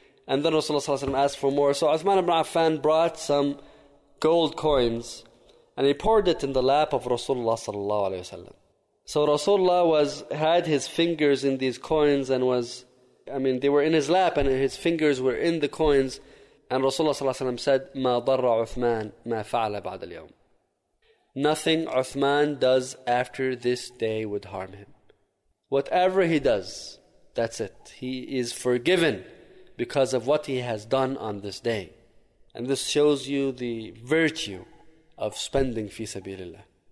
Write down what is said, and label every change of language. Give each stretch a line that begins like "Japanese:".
English: And then Rasulullah ﷺ asked for more, so Uthman ibn Affan brought some gold coins and he poured it in the lap of Rasulullah ﷺ. So Rasulullah had his fingers in these coins and they were in his lap and his fingers were in the coins. And Rasulullah ﷺ said,
Arabic: مَا ضَرَّ عُثْمَان مَا فَعْلَ بَعْدَ الْيَوْمِ.
English: Nothing Uthman does after this day would harm him. Whatever he does, that's it. He is forgiven because of what he has done on this day. And this shows you the virtue of spending fi sabilillah.